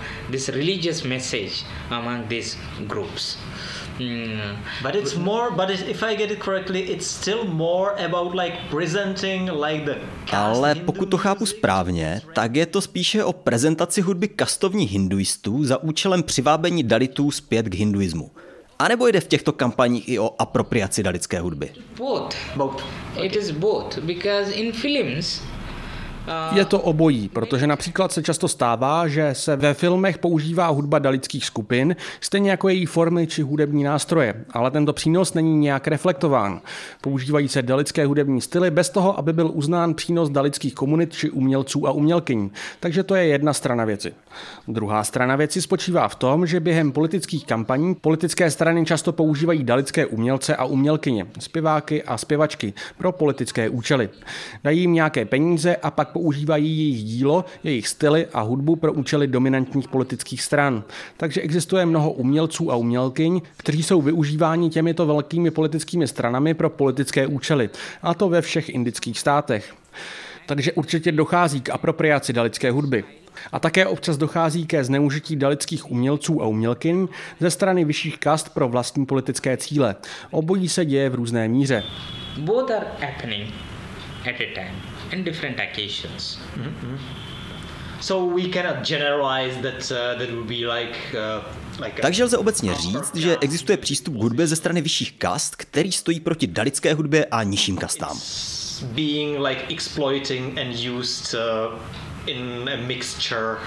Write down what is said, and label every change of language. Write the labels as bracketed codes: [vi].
[en] This religious message among these groups. But it's more, but if I get it correctly, it's still more about like presenting like the caste. [cs] Ale pokud to chápu správně, tak je to spíše o prezentaci hudby kastovních hinduistů za účelem přivábení dalitů zpět k hinduismu. A nebo jde v těchto kampaních i o apropriaci dalitské hudby? [en] Both. Okay. It is both, because in films. [cs] Je to obojí, protože například se často stává, že se ve filmech používá hudba dalitských skupin, stejně jako její formy či hudební nástroje, ale tento přínos není nějak reflektován. Používají se dalitské hudební styly bez toho, aby byl uznán přínos dalitských komunit či umělců a umělkyň, takže to je jedna strana věci. Druhá strana věci spočívá v tom, že během politických kampaní politické strany často používají dalitské umělce a umělkyně, zpěváky a zpěvačky pro politické účely. Dají jim nějaké peníze a pak používají jejich dílo, jejich styly a hudbu pro účely dominantních politických stran. Takže existuje mnoho umělců a umělkyň, kteří jsou využíváni těmito velkými politickými stranami pro politické účely, a to ve všech indických státech. Takže určitě dochází k apropriaci dalitské hudby. A také občas dochází ke zneužití dalitských umělců a umělkyň ze strany vyšších kast pro vlastní politické cíle. Obojí se děje v různé míře. [en] Both are happening. at a time and different occasions. So we cannot generalize that that would be like [cs] Takže lze obecně říct, že existuje přístup k hudbě ze strany vyšších kast, který stojí proti dalitské hudbě a nižším kastám. [en] Being like exploiting and used in a mixture.